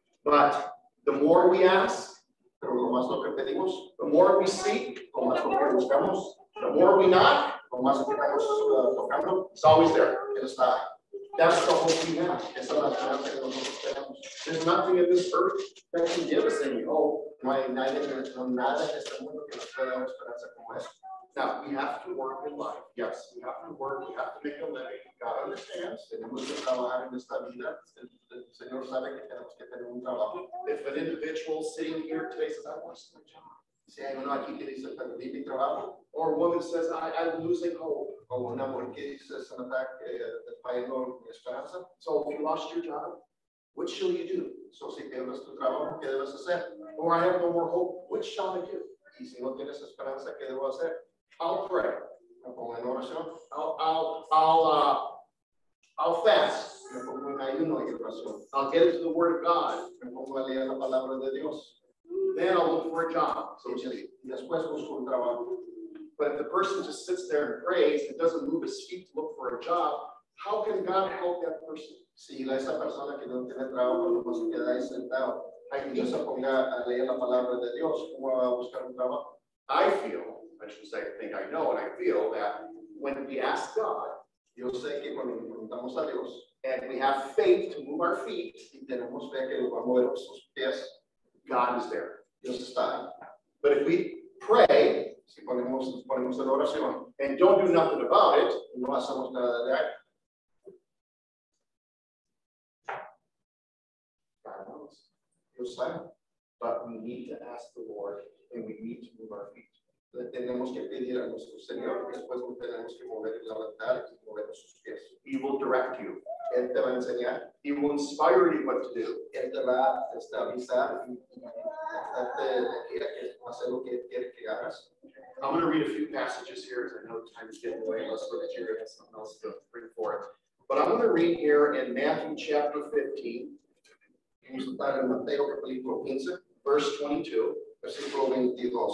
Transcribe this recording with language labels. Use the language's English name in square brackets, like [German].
[English] But the more we ask, [Spanish] pero lo más lo que pedimos, [English] the more we seek, [Spanish] lo más lo que buscamos, [English] the more we knock, [Spanish] lo más que estamos tocando, [English] it's always there. [Spanish] Él está. [English] That's the hope we have. [Spanish] Esa es la esperanza que nosotros tenemos. [English] There's nothing in this earth that can give us any hope. [Spanish] No hay nadie en este mundo que nos pueda dar esperanza como esto. [English] Now, we have to work in life. Yes, we have to work. We have to make a living. God understands. [Spanish] Tenemos que trabajar en esta vida. El Señor sabe que tenemos que tener un trabajo. [English] If an individual sitting here today says, I want some job. [Spanish] Si hay uno aquí que dice, pero di mi trabajo. [English] Or a woman says, I'm losing hope. [Spanish] O una mujer que dice, se me está fallando mi esperanza. [English] So, if you lost your job, what shall you do? [Spanish] So, si pierdes tu trabajo, ¿qué debes hacer? [English] Or I have no more hope, what shall I do? [Spanish] Y si no tienes esperanza, ¿qué debo hacer? [English] I'll pray. [Spanish] Me pongo en oración. [English] I'll fast. [Spanish] Me pongo en ayuno y oración. [English] I'll get into the Word of God. [Spanish] Me pongo a leer la palabra de Dios. [English] Then I'll look for a job. [Spanish] So después busco un trabajo. [English] But if the person just sits there and prays and doesn't move his feet to look for a job, how can God help that person? [Spanish] Si la esa persona que no tiene trabajo no puede quedar ahí sentado. Hay que se ponga a leer la palabra de Dios. ¿Cómo va a buscar un trabajo? [English] I feel. I should say, I think I know and I feel that when we ask God, [Spanish] yo sé que cuando le preguntamos a Dios, [English] and we have faith to move our feet, [Spanish] y tenemos fe que lo va a mover nuestros pies, [English] God is there. [Spanish] Dios está. [English] But if we pray, [Spanish] si ponemos en oración, [English] and don't do nothing about it, [Spanish] no hacemos nada de [English] that, God knows. [Spanish] Dios sabe. [English] But we need to ask the Lord and we need to move our feet. [Spanish] Le tenemos que pedir a nuestro Señor, después lo tenemos que mover y levantar y mover nuestros pies. [English] He will direct you. [Spanish] Él te va a enseñar. [English] He will inspire you what to do. [Spanish] Él te va a estabilizar y te va a hacer lo que quiere que hagas. [English] I'm going to read a few passages here because I know time is getting away. Let's look at you and something else to bring forth. But I'm going to read here in Matthew chapter 15. [Spanish] Vamos a estar en Mateo capítulo 15. [English] Verse 22. [Spanish] Versículo 22.